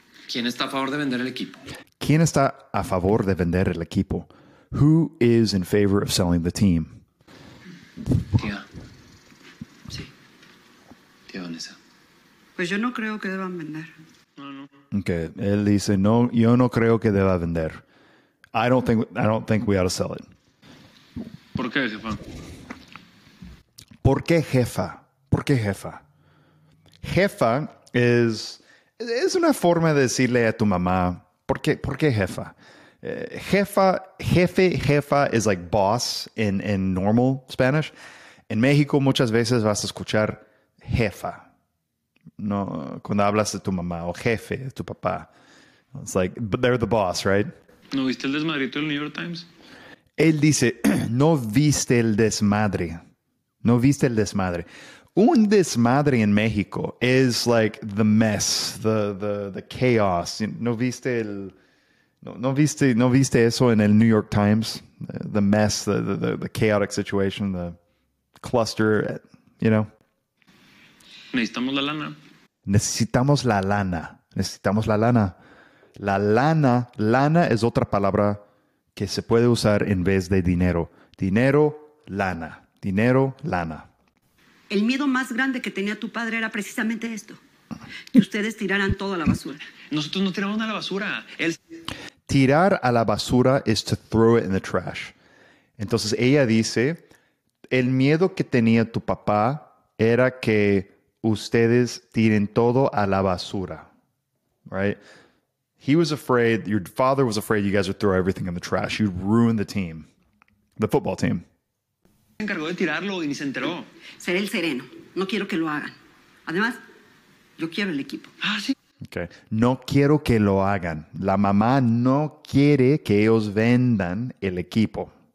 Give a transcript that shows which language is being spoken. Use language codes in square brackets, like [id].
[es] ¿Quién está a favor de vender el equipo? ¿Quién está a favor de vender el equipo? [en] Who is in favor of selling the team? [es] Tía. Sí. Tía Vanessa. Pues yo no creo que deban vender. No, no. [en] Okay. [es] Él dice, no, yo no creo que deba vender. [en] I don't think we ought to sell it. [es] ¿Por qué, jefa? ¿Por qué, jefa? ¿Por qué, jefa? Jefa es una forma de decirle a tu mamá, ¿por qué, jefa? [en] Jefa is like boss in normal Spanish. [es] En México muchas veces vas a escuchar jefa. No, cuando hablas de tu mamá o jefe, de tu papá. [en] It's like, but they're the boss, right? [es] ¿No viste el desmadrito del New York Times? Él dice, no viste el desmadre. No viste el desmadre. Un desmadre en México [en] is like the mess, the chaos. [es] ¿No viste el... ¿No viste eso en el New York Times? [en] The mess, the chaotic situation, the cluster, you know? [es] Necesitamos la lana. Necesitamos la lana. Necesitamos la lana. La lana, lana es otra palabra que se puede usar en vez de dinero. Dinero, lana. Dinero, lana. El miedo más grande que tenía tu padre era precisamente esto. Que ustedes tiraran todo a la basura. Nosotros no tiramos nada a la basura. Él... Tirar a la basura [en] is to throw it in the trash. [es] Entonces ella dice, el miedo que tenía tu papá era que ustedes tiren todo a la basura. [en] Right? He was afraid, your father was afraid you guys would throw everything in the trash. You'd ruin the team. The football team. [es] Se encargó de tirarlo y ni se enteró. Seré el sereno. No quiero que lo hagan. Además, yo quiero el equipo. Ah, sí. Okay. No quiero que lo hagan. La mamá no quiere que ellos vendan el equipo.